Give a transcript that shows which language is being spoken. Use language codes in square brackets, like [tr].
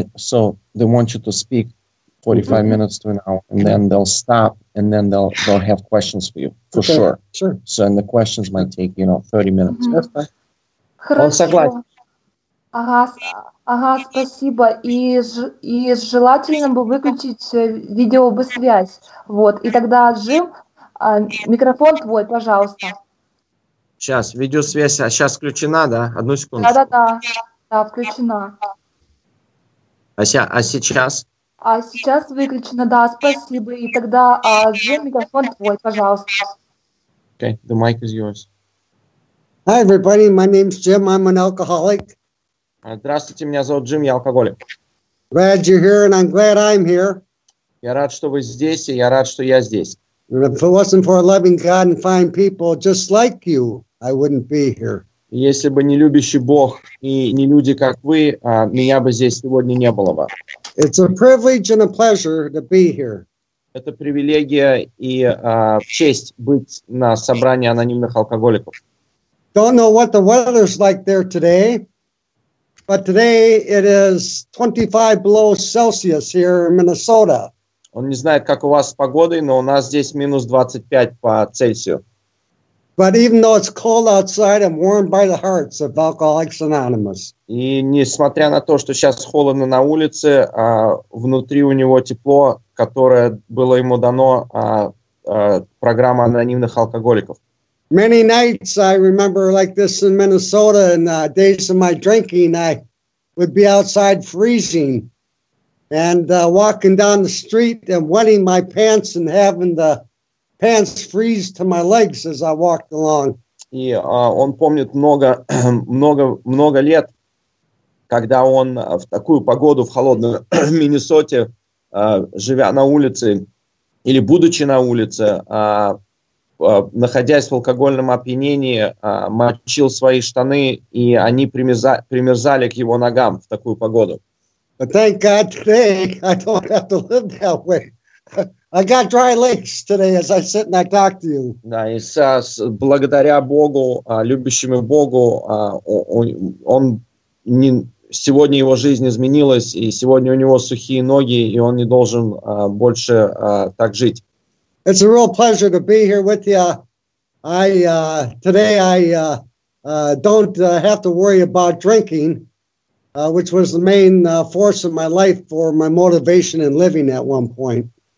[en] So they want you to speak 45 mm-hmm. minutes to an hour, and okay. then they'll stop, and then they'll have questions for you, for okay. sure. Sure. So, and the questions might take, you know, 30 minutes. Mm-hmm. That's fine. [ru] Ага, ага, спасибо. И желательно бы выключить видео бы связь. Вот. И тогда Джим, микрофон твой, пожалуйста. Сейчас, видеосвязь, а сейчас включена, да? Одну секунду. Да-да-да. Да, включена. А сейчас? А сейчас выключена, да, спасибо. И тогда Джим, микрофон твой, пожалуйста. [en] Okay, the mic is yours. Hi everybody, my name's Jim, I'm an alcoholic. [ru] Здравствуйте, меня зовут Джим, я алкоголик. [en] Glad you're here, and I'm glad I'm here. [ru] Я рад, что вы здесь, и я рад, что я здесь. [en] If it wasn't for loving God and fine people just like you, I wouldn't be here. [ru] Если бы не любящий Бог и не люди, как вы, меня бы здесь сегодня не было бы. [en] It's a privilege and a pleasure to be here. [ru] Это привилегия и честь быть на собрании анонимных алкоголиков. [en] Don't know what the weather's like there today. But today it is 25 below Celsius here in Minnesota. [ru] Он не знает, как у вас с погодой, но у нас здесь минус 25 по Цельсию. [en] But even though it's cold outside, I'm warmed by the hearts of Alcoholics Anonymous. [ru] И несмотря на то, что сейчас холодно на улице, внутри у него тепло, которое было ему дано программа анонимных алкоголиков. [en] Many nights I remember like this in Minnesota in the days of my drinking, I would be outside freezing and walking down the street and wetting my pants and having the pants freeze to my legs as I walked along. [ru] И он помнит много лет, когда он в такую погоду в холодную в Миннесоте, живя на улице или будучи на улице, находясь в алкогольном опьянении, мочил свои штаны, и они примерзали к его ногам в такую погоду. [en] But thank God today I don't have to live that way. I got dry legs today as I sit and I talk to you. [ru] Да, и благодаря Богу, любящему Богу, он не, сегодня его жизнь изменилась, и сегодня у него сухие ноги, и он не должен больше так жить. [en] It's a real pleasure to be here with you. I today don't have to worry about drinking, which was the main force of my life for my motivation in living at one point.